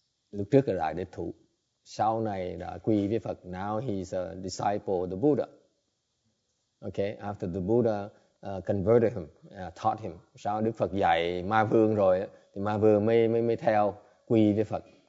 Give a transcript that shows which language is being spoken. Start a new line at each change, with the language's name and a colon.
Vietnamese: lúc trước là đại đệ thủ, sau này đã quy với Phật.
English: Now he's a disciple of the Buddha. Okay, after the Buddha converted him, taught him.
Vietnamese: Sau Đức Phật dạy Ma Vương rồi, thì Ma Vương mới theo quy với Phật.